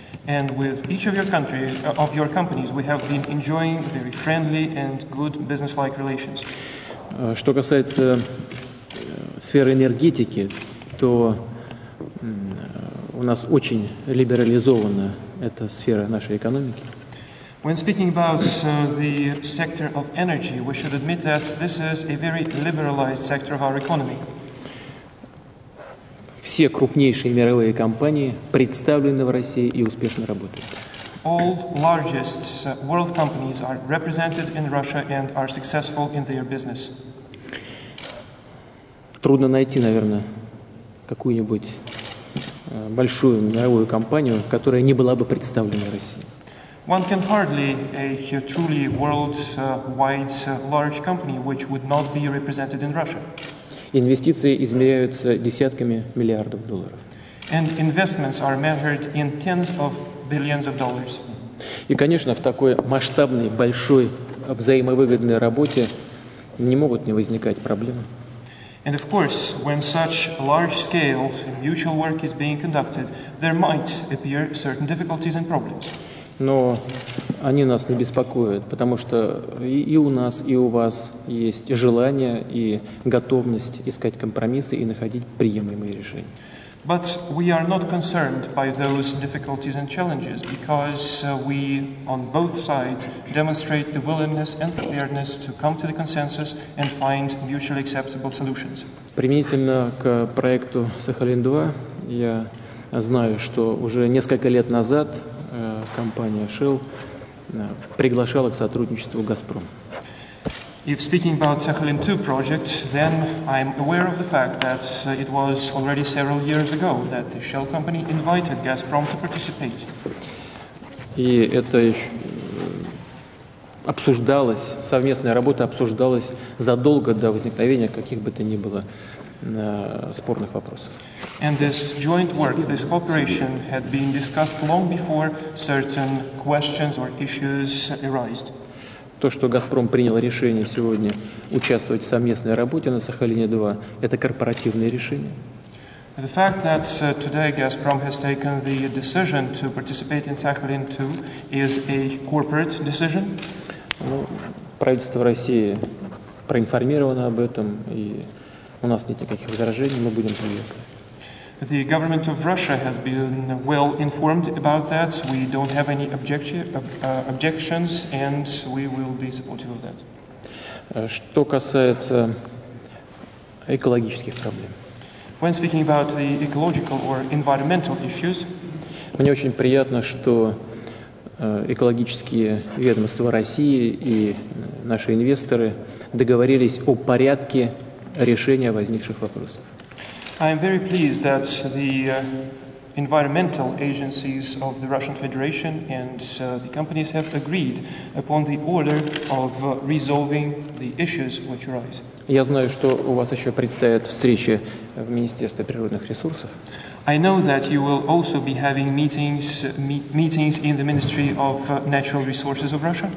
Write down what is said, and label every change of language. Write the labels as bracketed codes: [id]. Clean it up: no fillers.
[en] And with each of your countries, of your companies, we have been enjoying very friendly and good business-like relations. [ru] Что касается сферы энергетики, то у нас очень либерализована эта сфера нашей экономики. [en] When speaking about the sector of energy, we should admit that this is a very liberalized sector of our economy. [ru] Все крупнейшие мировые компании представлены в России и успешно работают. [en] All largest world companies are represented in Russia and are successful in their business. [ru] Трудно найти, наверное, какую-нибудь большую мировую компанию, которая не была бы представлена в России. [en] One can hardly a truly world-wide large company which would not be represented in Russia. [ru] Инвестиции измеряются десятками миллиардов долларов. [en] And investments are measured in tens of billions of dollars. [ru] И, конечно, в такой масштабной, большой, взаимовыгодной работе не могут не возникать проблемы. [en] And of course, when such large-scale mutual work is being conducted, there might appear certain difficulties and problems. [ru] Но они нас не беспокоят, потому что и у нас, и у вас есть желание и готовность искать компромиссы и находить приемлемые решения. [en] But we are not concerned by those difficulties and challenges because we on both sides demonstrate the willingness and preparedness to come to the consensus and find mutually acceptable solutions. [ru] Применительно к проекту Сахалин-2, я знаю, что уже несколько лет назад компания Shell приглашала к сотрудничеству Газпром. [en] If speaking about Sakhalin 2 project, then I'm aware of the fact that it was already several years ago that the Shell company invited Gazprom to participate. [ru] И это еще обсуждалось, совместная работа обсуждалась задолго до возникновения каких бы то ни было спорных вопросов. [en] And this joint work, this cooperation, had been discussed long before certain questions or issues arose. [ru] То, что «Газпром» принял решение сегодня участвовать в совместной работе на «Сахалине-2», это корпоративное решение. [en] The fact that today «Газпром» has taken the decision to participate in «Сахалин-2» is a corporate decision. [ru] Ну, правительство России проинформировано об этом, и у нас нет никаких возражений, мы будем приветствовать. [en] The government of Russia has been well informed about that. We don't have any objections, and we will be supportive of that. [ru] Что касается экологических проблем. [en] When speaking about the ecological or environmental issues, [ru] мне очень приятно, что экологические ведомства России и наши инвесторы договорились о порядке решения возникших вопросов. [en] I am very pleased that the environmental agencies of the Russian Federation and the companies have agreed upon the order of resolving the issues which arise. [ru] Я знаю, что у вас еще предстоят встречи в Министерстве природных ресурсов. [en] I know that you will also be having meetings in the Ministry of Natural Resources of Russia.